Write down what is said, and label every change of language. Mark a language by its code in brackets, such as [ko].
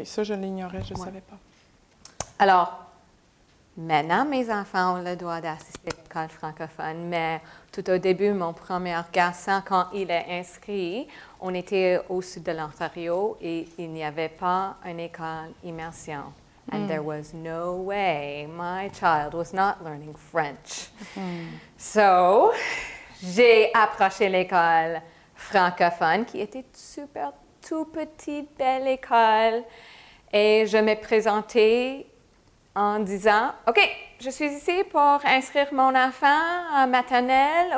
[fr] OK, ça, je l'ignorais, je ne savais pas. Alors, maintenant, mes enfants ont le droit d'assister à l'école francophone, mais tout au début, mon premier garçon, quand il est inscrit, on était au sud de l'Ontario et il n'y avait pas une école immersion. [en] And there was no way my child was not learning French. [fr] So, j'ai approché l'école francophone, qui était super, tout petite, belle école. Et je m'ai présentée en disant, « OK, je suis ici pour inscrire mon enfant à maternelle.